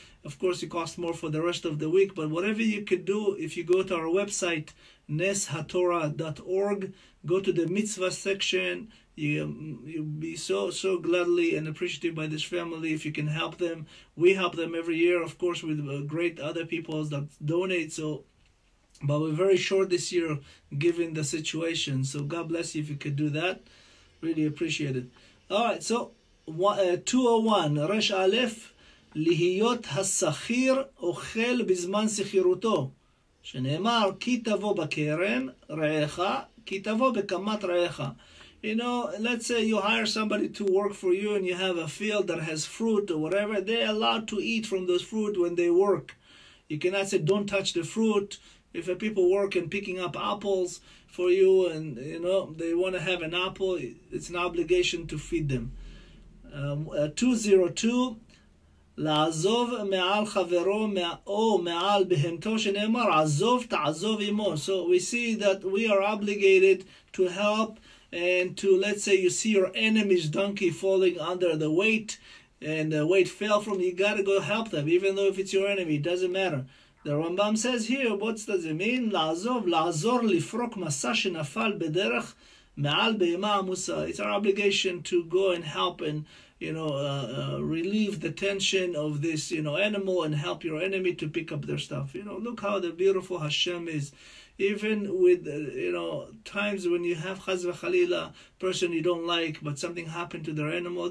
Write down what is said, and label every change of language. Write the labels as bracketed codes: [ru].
[en] Of course, it costs more for the rest of the week. But whatever you could do, if you go to our website, neshatorah.org, go to the mitzvah section, you'll be so, so gladly and appreciative by this family if you can help them. We help them every year, of course, with great other people that donate. So, but we're very short this year, given the situation. So God bless you if you could do that. Really appreciate it. All right, so [he] 201, Resh Aleph, להיות השכיר אוכל בזמן שכירותו, שנאמר, כי תבוא בקרן רעך, כי תבוא בקמת רעך. [en] You know, let's say you hire somebody to work for you and you have a field that has fruit or whatever, they're allowed to eat from those fruit when they work. You cannot say, don't touch the fruit. If a people work and picking up apples for you and, you know, they want to have an apple, it's an obligation to feed them. [he] 202, לעזוב מעל חברו או מעל בהמתו שנאמר, עזוב תעזוב עמו. [en] So we see that we are obligated to help and to, let's say, you see your enemy's donkey falling under the weight and the weight fell from, you got to go help them, even though if it's your enemy, it doesn't matter. The Rambam says here, what does it mean? [he] לעזוב, לעזור לפרוק מסע שנפל בדרך מעל בהמה עמוסה. [en] It's our obligation to go and help and, you know, relieve the tension of this, you know, animal and help your enemy to pick up their stuff. You know, look how the beautiful Hashem is. Even with, you know, times when you have chas v'chalila, person you don't like, but something happened to their animal.